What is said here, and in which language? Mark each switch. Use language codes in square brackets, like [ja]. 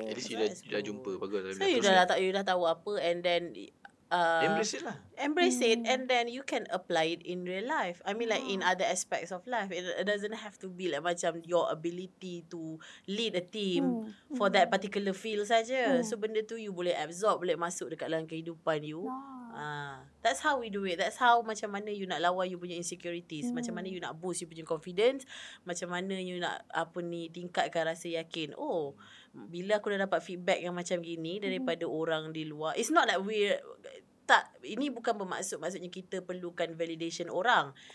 [en] At least [ms] you dah jumpa, bagus. So you dah tahu apa [en] and then Embrace it [ms] lah. [en] Embrace it and then you can apply it in real life. I mean like in other aspects of life. It doesn't have to be like [ms] macam [en] your ability to lead a team for that particular field [ms] saja. So benda tu you boleh [en] absorb, [ms] boleh masuk dekat dalam kehidupan you. [en] That's how we do it. That's how [ms] macam mana you nak lawan you punya insecurities. Macam mana you nak boost you punya confidence. Macam mana you nak apa ni tingkatkan rasa yakin. Oh, bila aku dah dapat feedback yang macam gini daripada orang di luar, [en] it's not that we're [ms] tak, ini bukan bermaksud maksudnya kita perlukan validation orang.